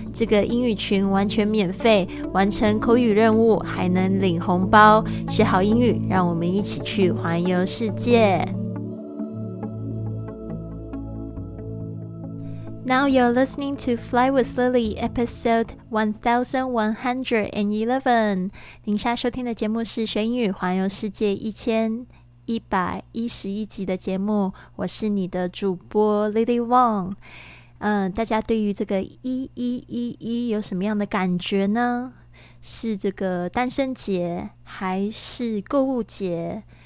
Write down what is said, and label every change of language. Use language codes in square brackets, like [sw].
[zh] 这个英语群完全免费，完成口语任务还能领红包，学好英语，让我们一起去环游世界。 [en] Now you're listening to Fly with Lily, episode 1111. [zh] 您现在收听的节目是学英语环游世界1111集的节目，我是你的主播 Lily Wong。大家对于这个1111有什么样的感觉呢？是这个单身节还是购物节？